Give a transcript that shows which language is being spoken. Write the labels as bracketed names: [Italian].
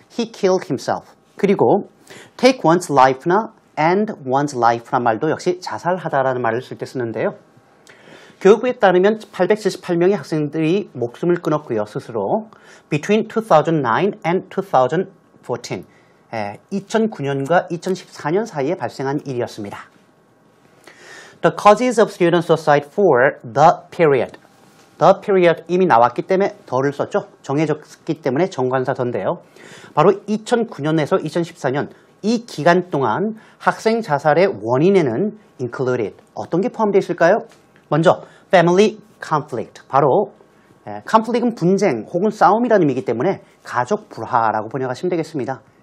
[English] he killed himself. [Korean] 그리고 [English] take one's life [Korean] 나 [English] end one's life [Korean] 라는 말도 역시 자살하다라는 말을 쓸 때 쓰는데요. 교육부에 따르면 878명의 학생들이 목숨을 끊었고요. 스스로 [English] between 2009 and 2014. [Korean] 2009년과 2014년 사이에 발생한 일이었습니다. [English] The causes of student suicide for the period. [Korean] The period 이미 나왔기 때문에 더를 썼죠. 정해졌기 때문에 정관사 더인데요. 바로 2009년에서 2014년 이 기간 동안 학생 자살의 원인에는 included. 어떤 게 포함되어 있을까요? 먼저 [English] family conflict. [Korean] 바로 conflict은 분쟁 혹은 싸움이라는 의미이기 때문에 가족 불화라고 번역하시면 되겠습니다.